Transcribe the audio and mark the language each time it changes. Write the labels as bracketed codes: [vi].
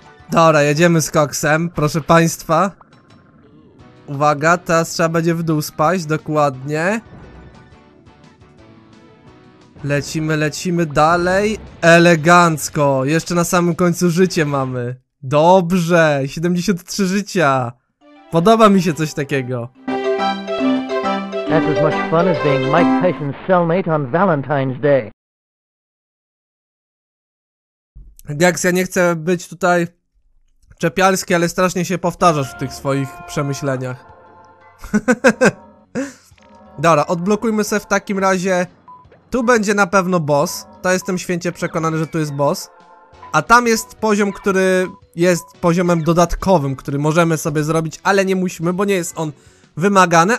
[pl] Dobra, jedziemy z koksem, proszę państwa. Uwaga, teraz trzeba będzie w dół spaść, dokładnie. Lecimy, lecimy dalej. Elegancko, jeszcze na samym końcu życie mamy. Dobrze, 73 życia. Podoba mi się coś takiego. [en] That's as much fun as being Mike Tyson's cellmate on Valentine's Day. [pl] Gax, ja nie chcę być tutaj czepialski, ale strasznie się powtarzasz w tych swoich przemyśleniach. Dobra, odblokujmy sobie w takim razie. Tu będzie na pewno boss. To jestem święcie przekonany, że tu jest boss. A tam jest poziom, który jest poziomem dodatkowym, który możemy sobie zrobić, ale nie musimy, bo nie jest on wymagany.